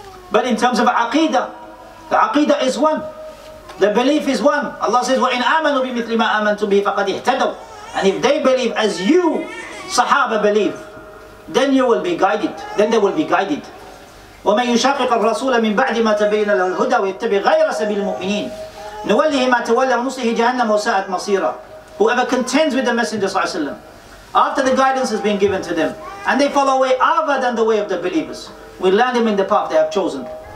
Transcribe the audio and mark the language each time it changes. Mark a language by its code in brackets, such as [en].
[en] But in terms of aqidah, the aqidah is one. The belief is one. Allah says, [ar] وَإِنْ آمَنُوا بِمِثْلِ مَا آمَنْتُ بِهِ فَقَدْ اِهْتَدَوْا. [en] And if they believe as you, Sahaba, believe, then you will be guided. Then they will be guided. [ar] وَمَنْ يُشَاقِقَ الرَّسُولَ مِنْ بَعْدِ مَا تَبَيْنَ لَهُ الْهُدَى وَيَتَّبِي غَيْرَ سَبِيلِ الْمُؤْمِنِينَ نُوَلِّهِ مَا تَوَلَّى وَنُصْلِهِ جَهَنَّمَ وَسَاءَتْ مَصِيرًا. [en] Whoever contends with the Messenger Sallallahu Alaihi Wasallam, after the guidance has been given to them, and they follow away other than the way of the believers, we land them in the path they have chosen.